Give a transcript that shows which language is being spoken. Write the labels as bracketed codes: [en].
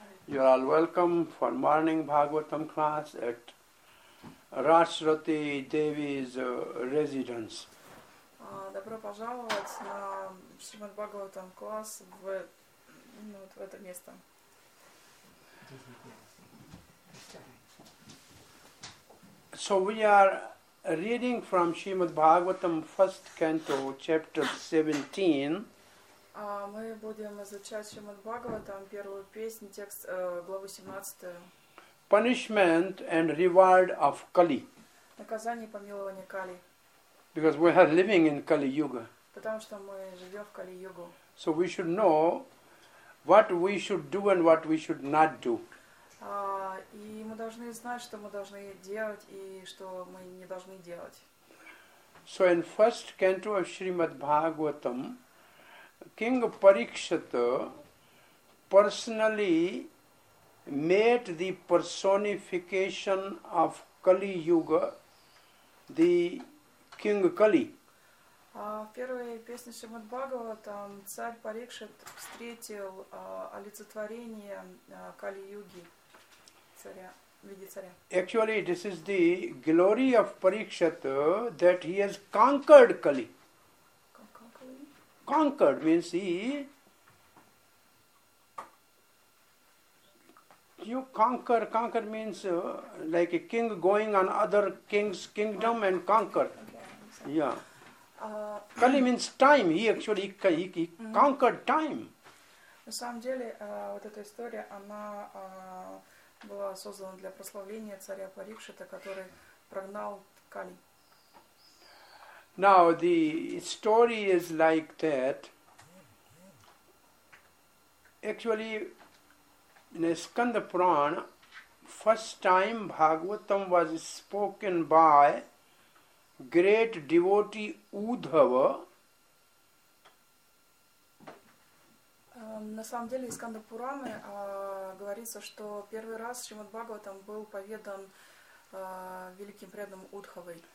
[en] You are welcome for morning Bhagavatam class at Rajshruti Devi's residence. [ru] Добро пожаловать на Шримад Бхагаватам класс в, ну, вот в это место. [en] So we are reading from Shrimad Bhagavatam first canto, chapter 17. [ru] Мы будем изучать Шримад Бхагаватам первую песню, текст главы 17. [en] Punishment and reward of Kali. [ru] Наказание и помилование Кали. [en] Because we are living in Kali Yuga. [ru] Потому что мы живем в Кали Югу. [en] So we should know what we should do and what we should not do. [ru] И мы должны знать, что мы должны делать и что мы не должны делать. [en] So in first canto of Srimad Bhagavatam, King Parikshit personally met the personification of Kali Yuga, the King Kali. [ru] В первой песне Шримад Бхагаватам царь Парикшит встретил олицетворение Кали-юги, царя, в виде царя. [en] Actually, this is the glory of Parikshit that he has conquered Kali. Conquered means he... You conquer. Conquer means like a king going on other king's kingdom and conquer. Yeah. Kali means time. He conquered time. [ru] На самом деле, вот эта история, она была создана для прославления царя Парикшита, который прогнал Кали. [en] Now the story is like that. Actually, in Skanda Purana, first time Bhagavatam was spoken by great devotee Udhava. [ru] На самом деле, из Сканда Пураны говорится, что первый раз Шримад Бхагаватам был поведан великим преданным Удхавой.